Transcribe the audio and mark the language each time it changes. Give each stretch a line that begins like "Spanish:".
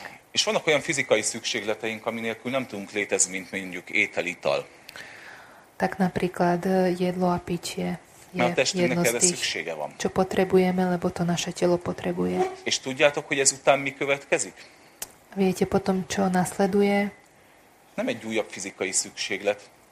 Hungarian: És vannak olyan fizikai szükségleteink, ami nélkül nem tudunk létezni, mint mondjuk étel, ital.
Slovak: Tak napríklad jedlo a pitie.
Hungarian: Mert a testünknek erre szüksége van.
Slovak: Čo potrebujeme, lebo to naše telo potrebuje.
Hungarian: És tudjátok, hogy ezután mi következik?
Slovak: Viete potom, čo nasleduje?
Hungarian: Nem egy újabb fizikai szükséglet.